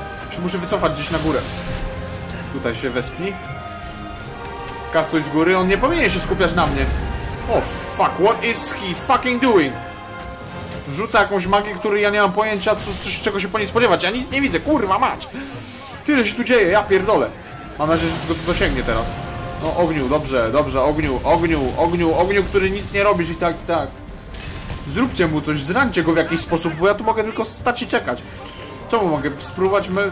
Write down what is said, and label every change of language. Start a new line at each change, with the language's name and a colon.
Polish: Czy muszę wycofać gdzieś na górę? Tutaj się wespnij. Kastuj z góry, on nie powinien się skupiać na mnie.
English: O fuck, what is he fucking doing?
Polish: Rzuca jakąś magię, której ja nie mam pojęcia, czego się po niej spodziewać. Ja nic nie widzę, kurwa mać! Tyle się tu dzieje, ja pierdolę. Mam nadzieję, że tylko to dosięgnie teraz. No ogniu, dobrze, dobrze, ogniu, który nic nie robisz i tak. Zróbcie mu coś, zrańcie go w jakiś sposób, bo ja tu mogę tylko stać i czekać. Co mu mogę spróbować?